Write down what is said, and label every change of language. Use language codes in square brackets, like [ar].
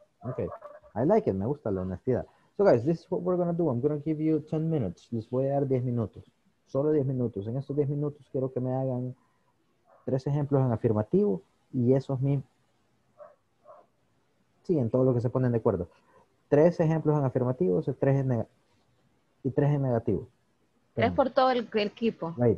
[en] Okay. I like it, [es] me gusta la honestidad. [en] So guys, this is what we're going to do. I'm going to give you 10 minutes. [es] Les voy a dar 10 minutos. Solo 10 minutos. En estos 10 minutos quiero que me hagan 3 ejemplos en afirmativo y esos mismos. Sí, en todo lo que se ponen de acuerdo. 3 ejemplos en afirmativo y 3 en negativo. 3 por todo el equipo.